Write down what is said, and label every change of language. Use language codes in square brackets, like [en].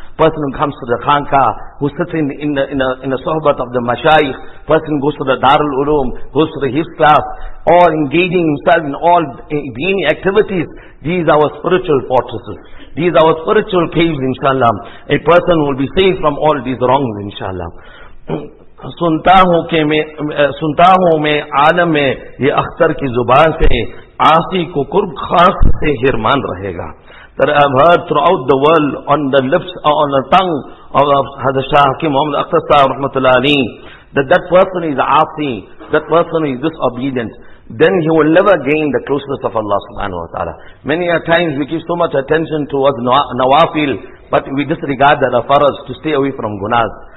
[en] Person who comes to the khanqah, who sits in the sohbat of the mashayikh, person goes to the darul ulum, goes to the hifz class, all engaging himself in all deeni activities, these are our spiritual fortresses. These are our spiritual caves, inshallah. A person will be saved from all these wrongs, inshallah. [ur] سنتا ہوں میں عالم میں یہ اختر کی زبان سے آسی کو قرب خاص سے حرمان رہے گا. [en] That I have heard throughout the world on the lips or on the tongue of Hazrat Shah Ki Muhammad Akhtar Sahib Rahmatullah Ali, that person is aasi, that person is disobedient, then he will never gain the closeness of Allah subhanahu wa ta'ala. Many a times we give so much attention towards nawafil, but we disregard the faraz to stay away from gunas.